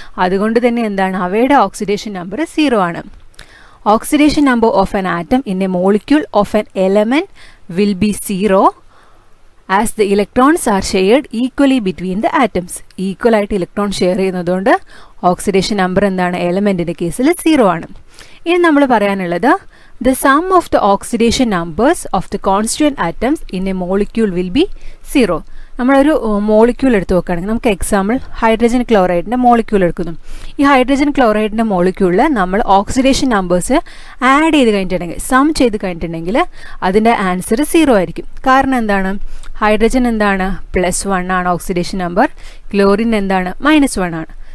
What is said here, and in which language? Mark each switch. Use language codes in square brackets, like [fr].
[ml] അതുകൊണ്ട് തന്നെ എന്താണ്, അവയുടെ ഓക്സിഡേഷൻ നമ്പർ സീറോ ആണ്. [en] Oxidation number of an atom in a molecule of an element will be zero as the electrons are shared equally between the atoms. [ml] ഈക്വലായിട്ട് electron share ചെയ്യുന്നതുകൊണ്ട് oxidation number എന്താണ്, എലമെൻറ്റിൻ്റെ കേസിൽ zero ആണ്. ഇനി നമ്മൾ പറയാനുള്ളത് [en] The sum of the oxidation numbers of the constituent atoms in a molecule will be 0. [ml] നമ്മുടെ ഒരു molecule എടുത്തു നോക്കുകയാണെങ്കിൽ നമുക്ക് എക്സാമ്പിൾ ഹൈഡ്രജൻ ക്ലോറൈഡിൻ്റെ മോളിക്യൂൾ എടുക്കുന്നു. ഈ ഹൈഡ്രജൻ ക്ലോറൈഡിൻ്റെ മോളിക്യൂളിൽ നമ്മൾ ഓക്സിഡേഷൻ നമ്പേഴ്സ് ആഡ് ചെയ്ത് കഴിഞ്ഞിട്ടുണ്ടെങ്കിൽ, സം ചെയ്ത് കഴിഞ്ഞിട്ടുണ്ടെങ്കിൽ അതിൻ്റെ ആൻസർ 0 ആയിരിക്കും. കാരണം എന്താണ്? ഹൈഡ്രജൻ എന്താണ്? +1 ആണ് ഓക്സിഡേഷൻ നമ്പർ. ക്ലോറിൻ എന്താണ്? -1 ആണ്.